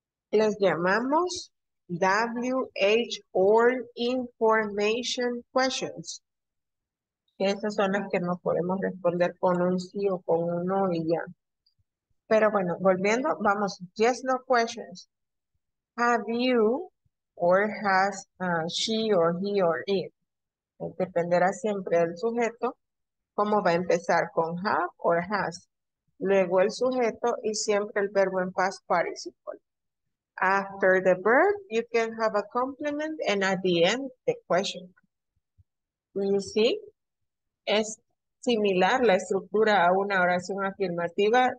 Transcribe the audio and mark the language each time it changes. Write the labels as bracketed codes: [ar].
[es] Les llamamos [en] WH or information questions. [es] Esas son las que no podemos responder con un sí o con un no y ya. Pero bueno, volviendo, vamos, [en] yes, no questions. Have you, or has she or he or it. [es] Dependerá siempre del sujeto, cómo va a empezar, con [en] have or has. [es] Luego el sujeto y siempre el verbo en past participle. [en] After the verb, you can have a complement, and at the end, the question. You see? [es] Es similar la estructura a una oración afirmativa.